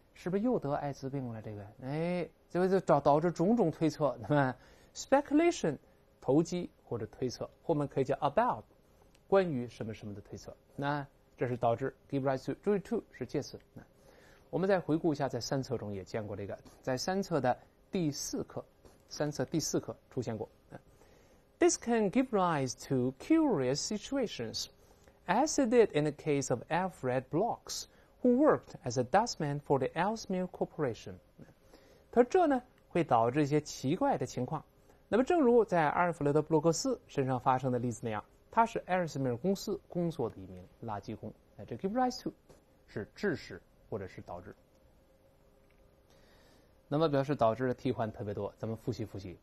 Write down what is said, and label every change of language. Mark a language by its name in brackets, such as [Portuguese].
[Chinese] 是不是又得艾滋病了？这个，哎，结果就导致种种推测，那么 speculation 投机或者推测，后面可以叫 about 关于什么什么的推测。那这是导致 give rise to， 注意 to 是介词。那我们再回顾一下，在三册中也见过这个，在三册的第四课，三册第四课出现过。 [English] This can give rise to curious situations, as it did in the case of Alfred Blocks, who worked as a dustman for the Ellesmere Corporation. [Chinese] 他说这呢会导致一些奇怪的情况。那么正如在阿尔弗雷德·布洛克斯身上发生的例子那样，他是埃尔斯米尔公司工作的一名垃圾工。那这 give rise to 是致使或者是导致。那么表示导致的替换特别多，咱们复习复习。